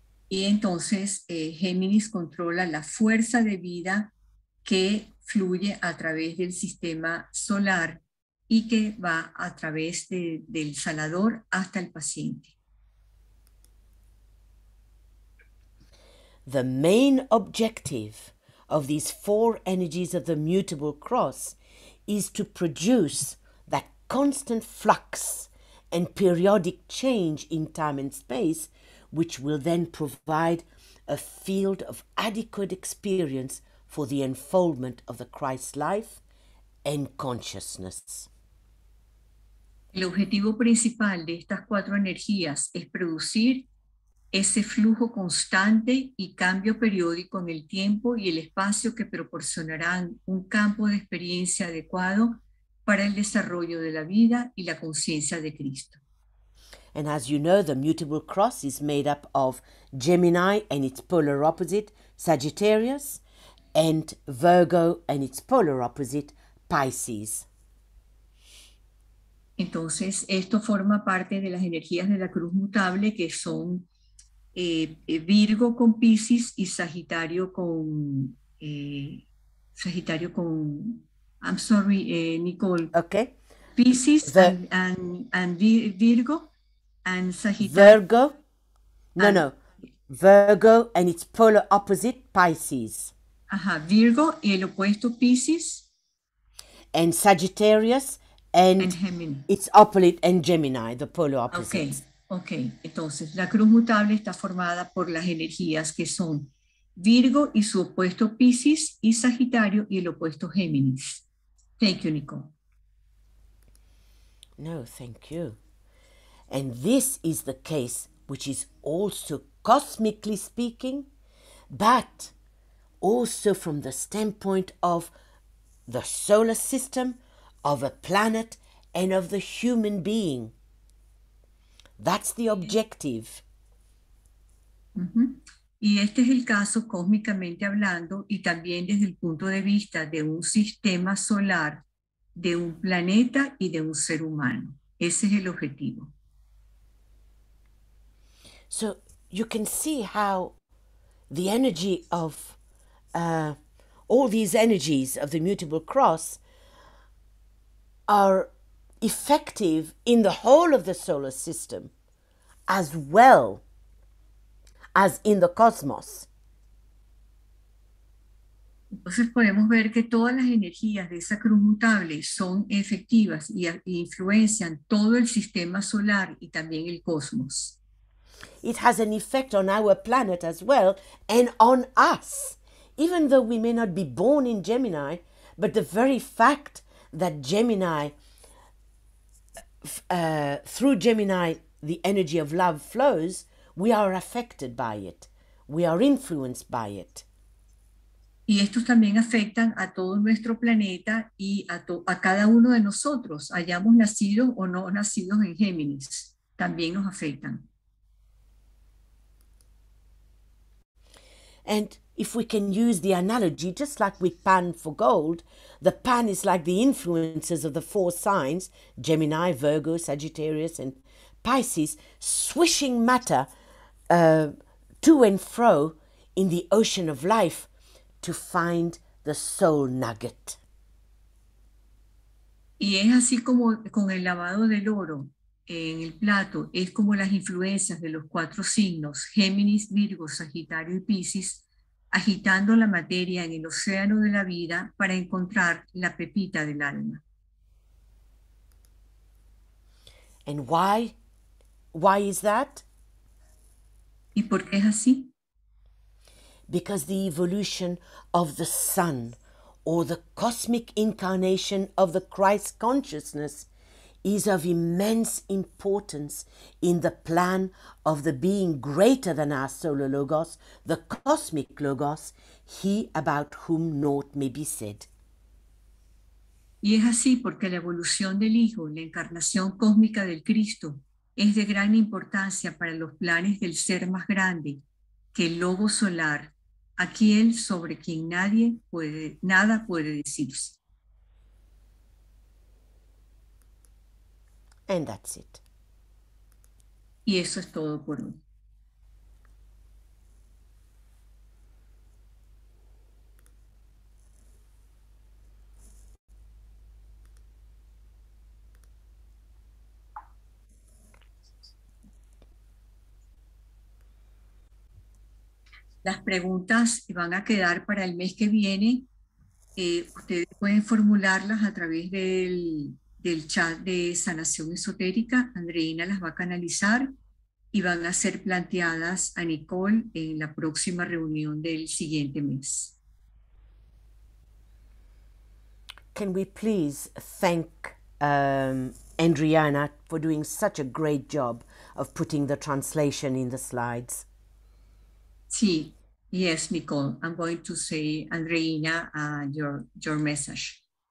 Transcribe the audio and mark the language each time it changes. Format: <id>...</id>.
<es>Y entonces Géminis controla la fuerza de vida que fluye a través del sistema solar y que va a través del sanador hasta el paciente.</es> <en>The main objective of these four energies of the mutable cross is to produce that constant flux and periodic change in time and space, which will then provide a field of adequate experience for the unfoldment of the Christ life and consciousness.</en> <es>El objetivo principal de estas cuatro energías es producir ese flujo constante y cambio periódico en el tiempo y el espacio que proporcionarán un campo de experiencia adecuado para el desarrollo de la vida y la conciencia de Cristo.</es> <en>And as you know, the mutable cross is made up of Gemini and its polar opposite, Sagittarius, and Virgo and its polar opposite, Pisces.</en> <es>Entonces, esto forma parte de las energías de la cruz mutable, que son Virgo con Piscis y Sagitario con</es> <en>I'm sorry, Nicole. Okay. The Piscis and Virgo and Sagitario Virgo, and no, Virgo and its polar opposite, Pisces.</en> <es>Virgo y el opuesto Piscis</es> <en>And Sagittarius and and Gemini. its opposite and Gemini, the polar opposites. Okay.</en> <es>Entonces, la cruz mutable está formada por las energías que son Virgo y su opuesto Piscis y Sagitario y el opuesto Géminis.</es> <en>Thank you, Nicole. No, thank you. And this is the case, which is also cosmically speaking, but also from the standpoint of the solar system, of a planet, and of the human being. That's the objective.</en> <es>Y este es el caso cósmicamente hablando y también desde el punto de vista de un sistema solar, de un planeta y de un ser humano. Ese es el objetivo.</es> <en>So you can see how the energy of all these energies of the mutable cross are effective in the whole of the solar system as well as in the cosmos.</en> <es>Entonces podemos ver que todas las energías de esa cruz mutable son efectivas e influencian todo el sistema solar y también el cosmos.</es> <en>It has an effect on our planet as well and on us, even though we may not be born in Gemini, but the very fact that Gemini, through Gemini, the energy of love flows, we are affected by it. We are influenced by it.</en> <es>Y estos también afectan a todo nuestro planeta y a cada uno de nosotros, hayamos nacido o no nacidos en Géminis, también nos afectan.</es> <en>And if we can use the analogy, just like we pan for gold, the pan is like the influences of the four signs, Gemini, Virgo, Sagittarius, and Pisces, swishing matter to and fro in the ocean of life to find the soul nugget.</en> <es>Y es así como con el lavado del oro en el plato, es como las influencias de los cuatro signos, Géminis, Virgo, Sagitario y Piscis, agitando la materia en el océano de la vida para encontrar la pepita del alma.</es> <en>And why? Why is that?</en> <es>¿Y por qué es así?</es> <en>Because the evolution of the sun or the cosmic incarnation of the Christ consciousness is of immense importance in the plan of the being greater than our solar logos, the cosmic logos, he about whom naught may be said.</en> <es>Y es así porque la evolución del Hijo, la encarnación cósmica del Cristo, es de gran importancia para los planes del ser más grande que el Logos solar, aquel sobre quien nada puede decirse.</es> <en>And that's it.</en> <es>Y eso es todo por hoy. Las preguntas van a quedar para el mes que viene. Ustedes pueden formularlas a través del chat de Sanación Esotérica. Andreina las va a canalizar y van a ser planteadas a Nicole en la próxima reunión del siguiente mes.</es> <en>Can we please thank Andriana for doing such a great job of putting the translation in the slides?</en> <es>Sí.</es> <en>Yes, Nicole, I'm going to say Andreina, your message.</en>